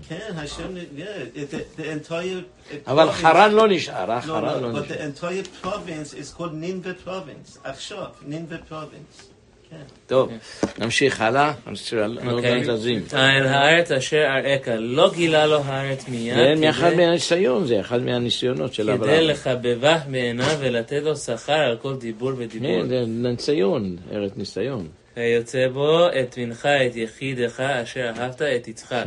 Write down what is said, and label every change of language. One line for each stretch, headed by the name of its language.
Hebrew: כן, השם,
English: the entire...
Hebrew: אבל חרן לא נשאר, חרן לא נשאר.
English: But the entire province is called Ninve province. עכשיו, Ninve province.
Hebrew: טוב, נמשיך הלאה. אני רוצה להזים. אין הארץ אשר אראך, לא גילה לו הארץ מיד. זה מאחד מהניסיון, זה אחד מהניסיונות של אברהם. כדי לחבבה בעיניו ולתת לו שכר על כל דיבור ודיבור. זה ניסיון, ארץ ניסיון. ויוצא בו את מנחה, את יחידך, אשר אהבת את יצחק.